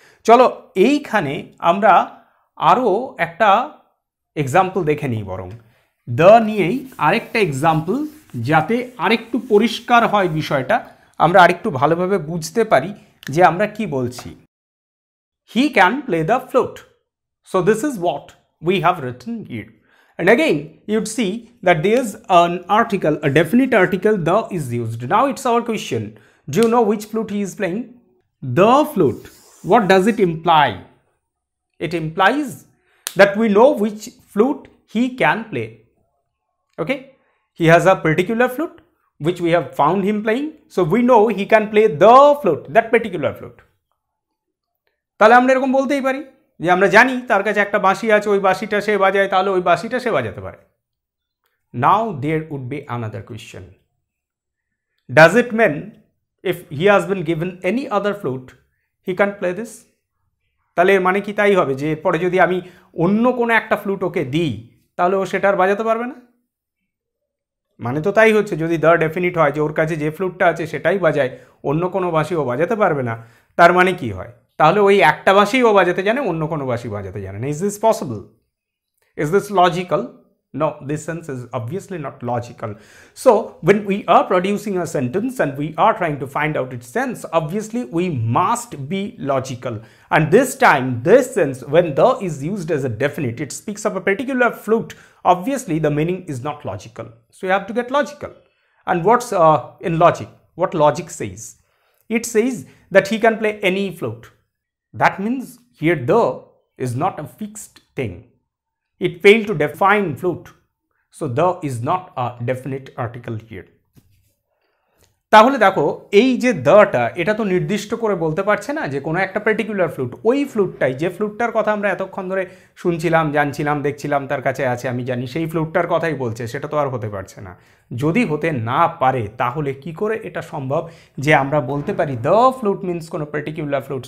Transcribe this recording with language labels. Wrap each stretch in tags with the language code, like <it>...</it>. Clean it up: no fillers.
<bn>চলো এইখানে আমরা আরও একটা এক্সাম্পল দেখে নিই, বরং দ্য নিয়েই আরেকটা এক্সাম্পল, যাতে আরেকটু পরিষ্কার হয় বিষয়টা, আমরা আরেকটু ভালোভাবে বুঝতে পারি যে আমরা কি বলছি।</bn> <en>He can play the flute, so this is what we have written here. And again, you'd see that there is an article, a definite article, the is used. Now it's our question. Do you know which flute he is playing? The flute. What does it imply? It implies that we know which flute he can play. Okay? He has a particular flute which we have found him playing. So we know he can play the flute, that particular flute.</en> <bn>তাহলে আমরা এরকম বলতেই পারি যে আমরা জানি তার কাছে একটা বাঁশি আছে, ওই বাঁশিটা সে বাজায়, তাহলে ওই বাঁশিটা সে বাজাতে পারে।</bn> <en>Now there would be another question, does it mean if he has been given any other flute he can play this?</en> <bn>তাহলে এর মানে কি তাই হবে যে এরপরে যদি আমি অন্য কোনো একটা ফ্লুট ওকে দিই তাহলে ও সেটা আর বাজাতে পারবে না? মানে তো তাই হচ্ছে, যদি দ্য ডেফিনিট হয় যে ওর কাছে যে ফ্লুটটা আছে সেটাই বাজায়, অন্য কোনো বাঁশি ও বাজাতে পারবে না, তার মানে কি হয়? তাহলে ওই একটা বাঁশি ও বাজাতে জানে, অন্য কোনো বাঁশি বাজাতে জানে না।</bn> <en>Is this possible? Is this logical? No, this sense is obviously not logical. So when we are producing a sentence and we are trying to find out its sense, obviously we must be logical. And this time this sense when the is used as a definite, it speaks of a particular flute, obviously the meaning is not logical, so you have to get logical. And what's in logic, what logic says? It says that he can play any flute. That means here the is not a fixed thing. It failed to define flute. So the is not a definite article here.</en> <bn>তাহলে দেখো এই যে দ্যটা, এটা তো নির্দিষ্ট করে বলতে পারছে না যে কোনো একটা পার্টিকুলার ফ্লুট, ওই ফ্লুটটাই, যে ফ্লুটটার কথা আমরা এতক্ষণ ধরে শুনছিলাম, জানছিলাম, দেখছিলাম, তার কাছে আছে, আমি জানি, সেই ফ্লুটটার কথাই বলছে, সেটা তো আর হতে পারছে না। যদি হতে না পারে তাহলে কি করে এটা সম্ভব যে আমরা বলতে পারি দ্য ফ্লুট মিন্স কোনো পার্টিকুলার ফ্লুট?</bn>